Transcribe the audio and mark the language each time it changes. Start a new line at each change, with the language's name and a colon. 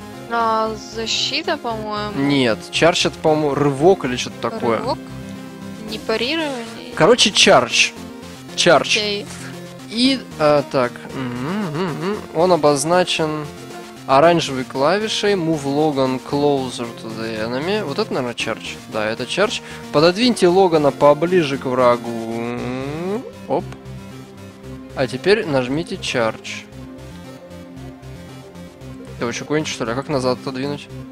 Russian: А защита, по-моему. Нет. Чардж это, по-моему, рывок или что-то такое. Рывок? Не парирование. Короче, чардж. Чардж. Окей. И... так. Он обозначен оранжевой клавишей.
English: Move Logan closer to the enemy.
Russian: Вот это, наверное, чардж. Да, это чардж. Пододвиньте Логана поближе к врагу. Оп. А теперь нажмите чардж. Ты вообще конч, что ли? А как назад отодвинуть?